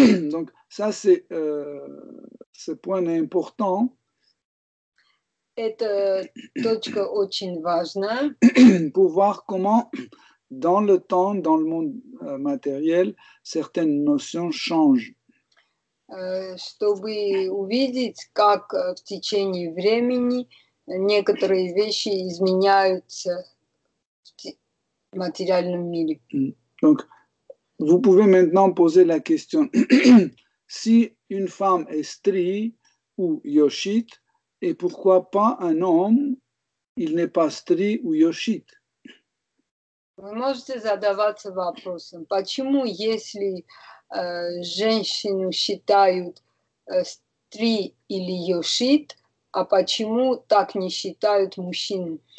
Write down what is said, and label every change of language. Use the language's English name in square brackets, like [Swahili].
[French] Donc ça c'est ce point est important. [Russian] Это точка очень важна. [French] Pour voir comment dans le temps, dans le monde matériel, certaines notions changent. [Russian] Чтобы увидеть, как в течение времени некоторые вещи изменяются в материальном мире. [French] Donc, vous pouvez maintenant poser la question. Si une femme est stri ou yoshit, et pourquoi pas un homme, il n'est pas stri ou yoshit? [Russian] Вы можете задаваться вопросом, почему, если женщину считают стри или йошит, а почему так не считают мужчину?